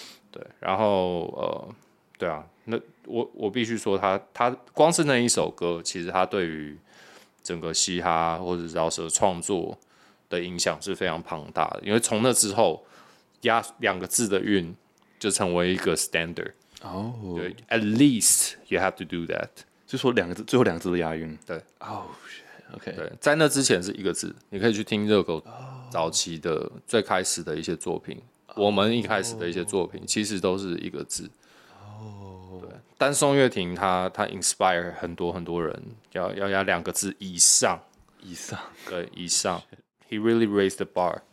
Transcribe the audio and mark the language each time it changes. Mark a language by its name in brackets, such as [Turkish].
[Chinese] 对，然后对啊。那我必须说他光是那一首歌，其实他对于整个嘻哈或者饶舌创作的影响是非常庞大的，因为从那之后押两个字的韵就成为一个 standard、 oh. [English] 对， at least you have to do that， [Chinese] 就说两个字，最后两个字的押韵，对，哦、oh, shit OK，对，在那之前是一个字，你可以去听热狗早期的、oh. 最开始的一些作品、oh. 我们一开始的一些作品其实都是一个字，但宋岳庭他 inspire 很多很多人，要两个字以上，对，以上 ， [English] He really raised the bar。